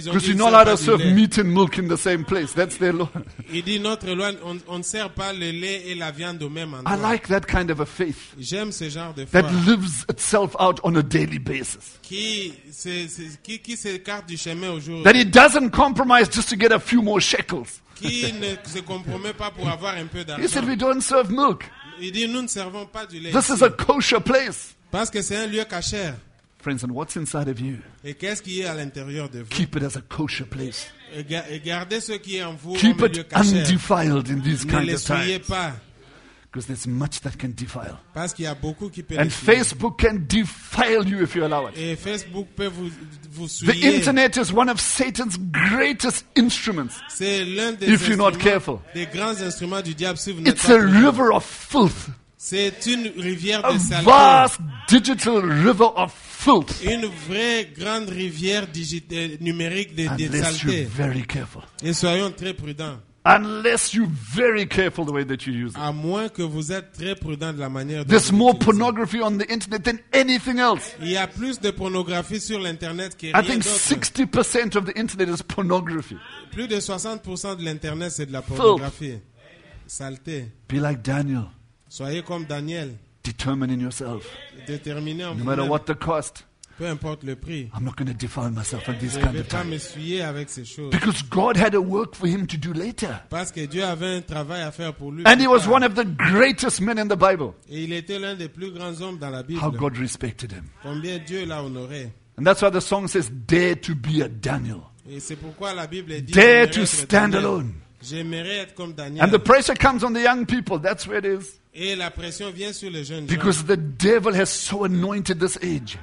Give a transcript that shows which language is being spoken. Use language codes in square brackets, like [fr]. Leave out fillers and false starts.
[en] Because you're not allowed to serve meat and milk in the same place. That's their law. [fr] Il dit, notre loi, on ne sert pas le lait et la viande au même endroit. [en] I like that kind of a faith. [fr] J'aime ce genre de foi. [en] That lives itself out on a daily basis. [fr] Qui s'écarte du chemin au jour. [en] That it doesn't compromise just to get a few more shekels. [fr] Qui ne se compromet pas pour avoir un peu d'argent. [en] He said, we don't serve milk. [fr] Il dit, nous ne servons pas du lait. [en] This is a kosher place. [fr] Parce que c'est un lieu kasher. [en] Friends, and what's inside of you? [fr] Et qu'est-ce qui est à l'intérieur de vous? [en] Keep it as a kosher place. [fr] Et gardez ce qui est en vous comme lieu kasher. [en] Keep it undefiled in these kinds of times. [fr] Ne l'essuyez pas. [en] Because there's much that can defile. [fr] Parce qu'il y a beaucoup qui peut [en] and [fr] défiler. [en] Facebook can defile you if you allow it. [fr] Et Facebook peut vous [en] the internet is one of Satan's greatest instruments [fr] c'est l'un des [en] if you're not careful. [fr] Des grands instruments du diable, si vous [en] it's a river of filth. [fr] C'est une rivière [en] a [fr] de saleté. [en] Vast digital river of filth. [fr] Une vraie grande rivière numérique de saleté. [en] Unless you're very careful. [fr] Et soyons très prudents. [en] Unless you're very careful the way that you use it. [fr] À moins que vous êtes très prudent de la manière dont [en] there's more pornography on the internet than anything else. [fr] Il y a plus de pornographie sur l'internet que rien d'autre. [en] I think 60% of the internet is pornography. [fr] Plus de 60% de l'internet c'est de la pornographie. Saleté. [en] Be like Daniel. [fr] Soyez comme Daniel. [en] Determine in yourself. [fr] Déterminé en vous-même. [en] No matter what the cost. [fr] Peu importe le prix. [en] I'm not going to defile myself at this [fr] je [en] kind of time. [fr] Je ne vais pas m'essuyer avec ces choses. [en] Because God had a work for him to do later. [fr] Parce que Dieu avait un travail à faire pour lui. [en] And he was one of the greatest men in the Bible. [fr] Et il était l'un des plus grands hommes dans la Bible. [en] How God respected him. [fr] Combien Dieu l'a honoré. [en] And that's why the song says, "Dare to be a Daniel." [fr] Et c'est pourquoi la Bible dit, [en] "Dare to stand alone." [fr] J'aimerais être comme Daniel. [en] And the pressure comes on the young people. That's where it is. [fr] Et la pression vient sur les jeunes [en] because [fr] gens. [en] The devil has so anointed this age.